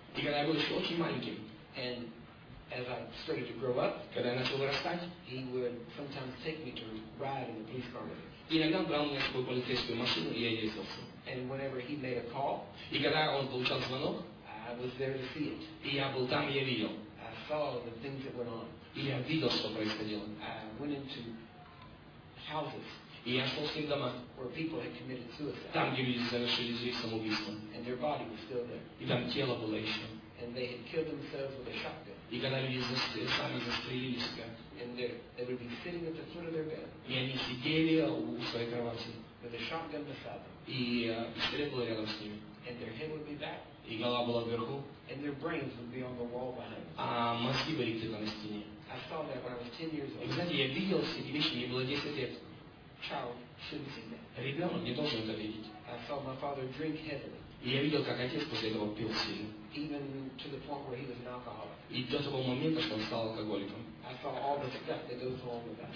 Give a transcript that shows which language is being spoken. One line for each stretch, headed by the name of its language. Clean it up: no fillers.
Russian: И когда я был еще очень маленьким.
English: And as I started to grow up,
Russian: когда я начал вырастать,
English: he would sometimes take me to ride in the police car with him.
Russian: Иногда брал меня с собой в полицейскую машину, и я ездил.
English: And whenever he made a call,
Russian: и когда он получал звонок,
English: I was there to see it.
Russian: И я был там, и я видел.
English: I saw the things that went on.
Russian: И я видел, что происходило.
English: I went into houses,
Russian: и я шел с ним в дома,
English: where people had committed suicide.
Russian: Там, где люди совершили самоубийство.
English: And their body was still there.
Russian: И там тело было еще.
English: And they had killed themselves with a shotgun.
Russian: И когда люди сами застрелились,
English: and they would be sitting at the foot of their bed.
Russian: И они сидели у своей кровати.
English: With a shotgun beside them.
Russian: И пистолет был рядом с ними.
English: And their head would be back.
Russian: И голова была вверху.
English: And their brains would be on the wall behind them.
Russian: А мозги были где-то на стене.
English: I saw that when I was 10 years old.
Russian: И знаете, я видел все эти вещи, мне было 10 лет.
English: Child shouldn't see that.
Russian: Ребенок не должен это видеть.
English: I saw my father drink heavily.
Russian: И я видел, как отец после этого пил сильно.
English: Even to the point where he was an alcoholic.
Russian: И до того момента, что он стал алкоголиком.
English: I saw all the stuff that goes along with that.